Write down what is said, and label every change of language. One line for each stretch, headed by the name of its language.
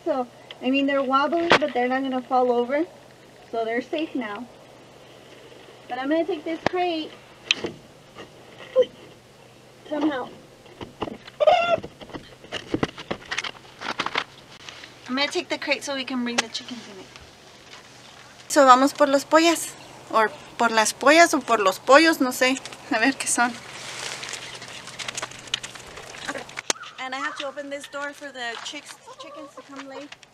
English: So I mean they're wobbly, but they're not gonna fall over, so they're safe now. But I'm gonna take this crate somehow. I'm gonna take the crate so we can bring the chickens in it.
Spanish: So vamos por las pollas. Or por las pollas o por los pollos, no sé. A ver qué son.
English: And I have to open this door for the chickens to come lay.